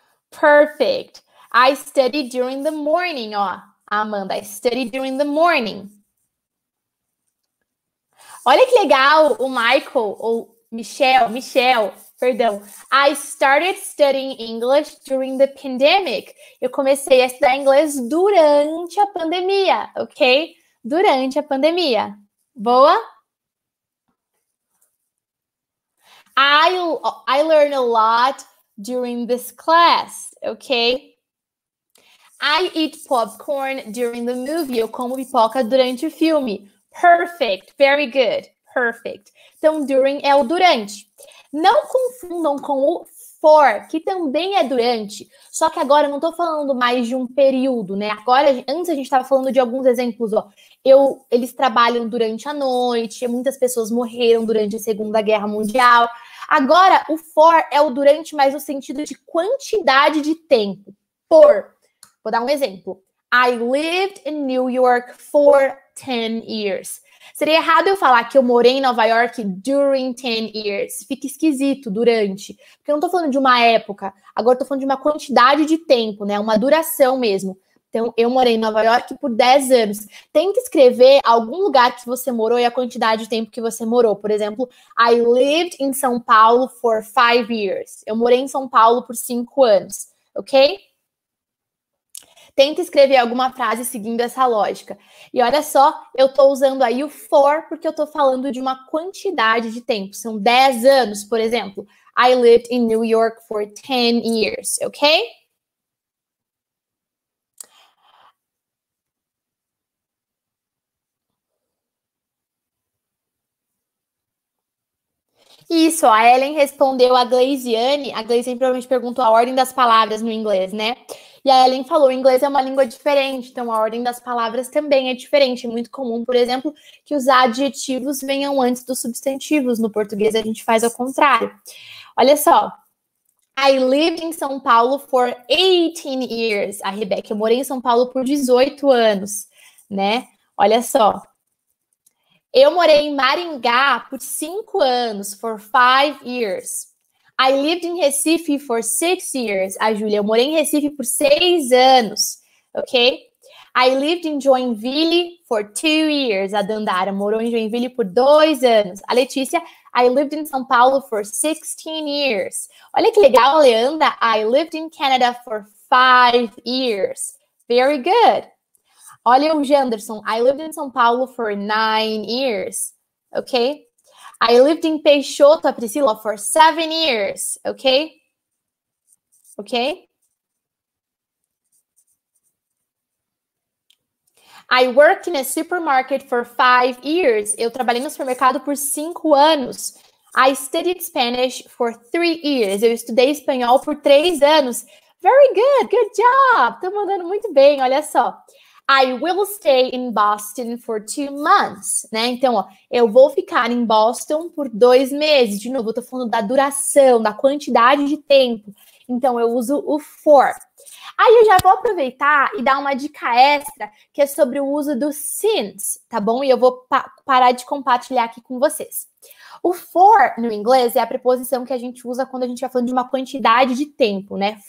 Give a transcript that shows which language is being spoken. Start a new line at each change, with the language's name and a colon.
English: Perfect. I study during the morning, ó. Amanda, I study during the morning.
Portuguese: Olha que legal, o Michael, ou Michel, Michel, perdão.
English: I started studying English during the pandemic.
Portuguese: Eu comecei a estudar inglês durante a pandemia, ok? Durante a pandemia. Boa?
English: I learn a lot during this class, ok? I eat popcorn during the movie.
Portuguese: Eu como pipoca durante o filme.
English: Perfect. Very good. Perfect.
Portuguese: Então, during é o durante. Não confundam com o for, que também é durante. Só que agora eu não tô falando mais de um período, né? Agora, antes a gente tava falando de alguns exemplos, ó. Eles trabalham durante a noite, muitas pessoas morreram durante a Segunda Guerra Mundial. Agora, o for é o durante, mas no sentido de quantidade de tempo. Por, vou dar um exemplo.
English: I lived in New York for 10 years.
Portuguese: Seria errado eu falar que eu morei em Nova York
English: during 10 years.
Portuguese: Fica esquisito, durante. Porque eu não tô falando de uma época. Agora eu tô falando de uma quantidade de tempo, né? Uma duração mesmo. Então, eu morei em Nova York por 10 anos. Tenta escrever algum lugar que você morou e a quantidade de tempo que você morou. Por exemplo,
English: I lived in São Paulo for 5 years.
Portuguese: Eu morei em São Paulo por 5 anos, ok? Tenta escrever alguma frase seguindo essa lógica. E olha só, eu estou usando aí o for porque eu estou falando de uma quantidade de tempo. São 10 anos, por exemplo.
English: I lived in New York for 10 years, ok?
Portuguese: Isso, a Ellen respondeu a Gleisiane. A Gleisiane provavelmente perguntou a ordem das palavras no inglês, né? E a Ellen falou, o inglês é uma língua diferente, então a ordem das palavras também é diferente. É muito comum, por exemplo, que os adjetivos venham antes dos substantivos. No português, a gente faz ao contrário. Olha só.
English: I lived in São Paulo for 18 years.
Portuguese: A Rebeca, eu morei em São Paulo por 18 anos, né? Olha só. Eu morei em Maringá por 5 anos,
English: for 5 years. I lived in Recife for 6 years.
Portuguese: A Júlia, eu morei em Recife por 6 anos, ok?
English: I lived in Joinville for 2 years.
Portuguese: A Dandara morou em Joinville por 2 anos.
English: A Letícia, I lived in São Paulo for 16 years.
Portuguese: Olha que legal,
English: Leandra. I lived in Canada for 5 years. Very good.
Portuguese: Olha o Janderson.
English: I lived in São Paulo for 9 years. Ok? I lived in Peixoto, a Priscila, for 7 years. Ok? Ok? I worked in a supermarket for 5 years.
Portuguese: Eu trabalhei no supermercado por 5 anos.
English: I studied Spanish for 3 years.
Portuguese: Eu estudei espanhol por 3 anos.
English: Very good. Good job.
Portuguese: Tô mandando muito bem. Olha só.
English: I will stay in Boston for 2 months.
Portuguese: Né? Então, ó, eu vou ficar em Boston por 2 meses. De novo, eu tô falando da duração, da quantidade de tempo. Então, eu uso o for. Aí eu já vou aproveitar e dar uma dica extra, que é sobre o uso do since, tá bom? E eu vou parar de compartilhar aqui com vocês. O for, no inglês, é a preposição que a gente usa quando a gente vai falando de uma quantidade de tempo, né?